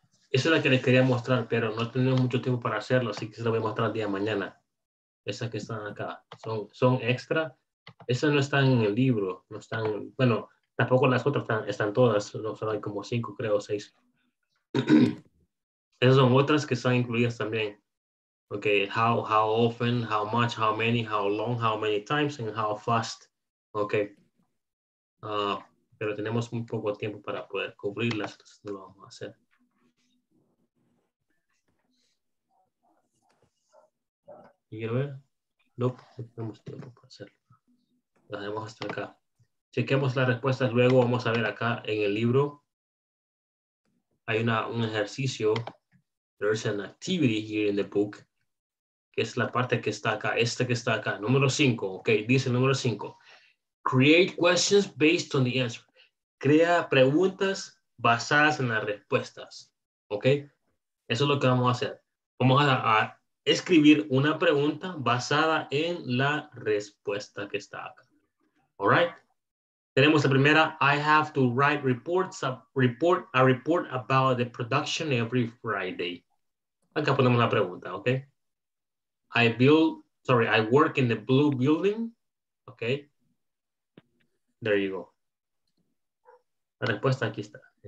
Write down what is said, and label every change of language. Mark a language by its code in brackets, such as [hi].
[es] Eso es la que les quería mostrar, pero no tenemos mucho tiempo para hacerlo, así que se lo voy a mostrar el día de mañana. Esas que están acá, son extra. Esas no están en el libro, no están, bueno, tampoco las otras están todas, no, solo hay como 5, creo, 6. Esas son otras que están incluidas también. [en] Ok, how often, how much, how many, how long, how many times, and how fast. Ok. [es] Pero tenemos muy poco tiempo para poder cubrirlas, no lo vamos a hacer. ¿Quiero ver? No tenemos tiempo para hacerlo. Lo dejamos hasta acá. Chequemos las respuestas luego. Vamos a ver acá en el libro. Hay un ejercicio. [en] There's an activity here in the book. [es] Que es la parte que está acá. Esta que está acá. Número 5. Ok. Dice el número 5. [en] Create questions based on the answer. [es] Crea preguntas basadas en las respuestas. Ok. Eso es lo que vamos a hacer. Vamos a escribir una pregunta basada en la respuesta que está acá. [en] All right. [es] Tenemos la primera. [en] I have to write a report about the production every Friday. [es] Acá ponemos la pregunta, [en] ¿ok? I work in the blue building. ¿Ok? There you go. [es] La respuesta aquí está.